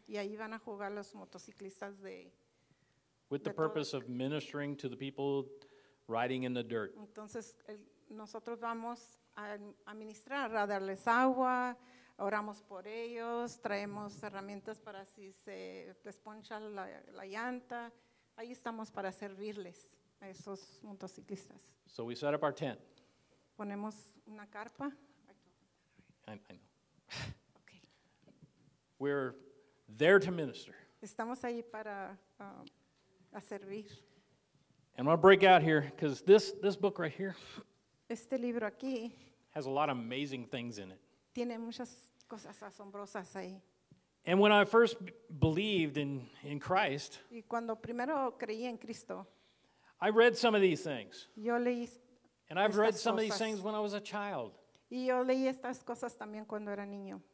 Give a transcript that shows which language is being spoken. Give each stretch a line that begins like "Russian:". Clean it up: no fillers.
Spanish: Y ahí van a jugar los motociclistas de.
English: With the purpose of ministering to the people riding in the dirt.
Spanish: Entonces, nosotros vamos a ministrar, a darles agua. Oramos por ellos, traemos herramientas para si se desponcha la llanta. Ahí estamos para servirles a esos motociclistas.
English: So we set up our tent.
Spanish: Ponemos una carpa.
English: I know. Okay. We're there to minister.
Spanish: Estamos ahí para a servir.
English: And I'm going to break out here because this book right here
Spanish: este libro aquí
English: has a lot of amazing things in it.
Spanish: Tiene muchas cosas asombrosas ahí.
English: And when I first believed in Christ,
Spanish: y cuando primero creí en Cristo,
English: I read some of these things.
Spanish: Yo leí
English: and I've read some
Spanish: cosas.
English: Of these things when I was a child.
Spanish: Y yo leí estas cosas también cuando era niño.